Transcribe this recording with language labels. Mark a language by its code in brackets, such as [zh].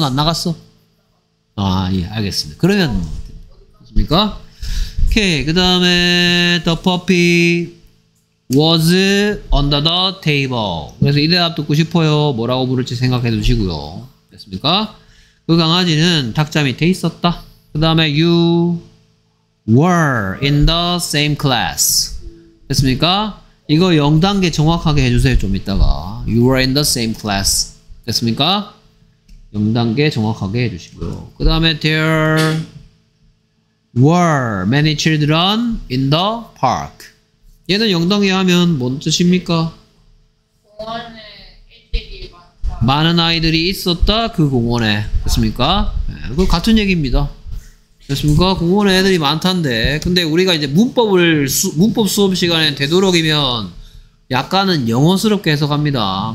[ko] 아, 3단원 안 나갔어? 아, 예, 알겠습니다. 그러면 맞습니까? 오케이, 그 다음에 [en] The puppy was under the table. [ko] 그래서 이 대답 듣고 싶어요. 뭐라고 부를지 생각해 두시고요. 됐습니까? 그 강아지는 탁자 밑에 있었다. 그 다음에 [en] you were in the same class. [ko] 됐습니까? 이거 0단계 정확하게 해주세요. 좀 이따가. [en] You were in the same class. [ko] 됐습니까? 0단계 정확하게 해주시고요. 그 다음에 [en] there were many children in the park. [ko] 얘는 0단계 하면 뭔 뜻입니까? 공원에 애들이 많다. 많은 아이들이 있었다. 그 공원에. 됐습니까? 네, 그 같은 얘기입니다. 됐습니까? 공원에 애들이 많단데. 근데 우리가 이제 문법 수업 시간에 되도록이면 약간은 영어스럽게 해석합니다.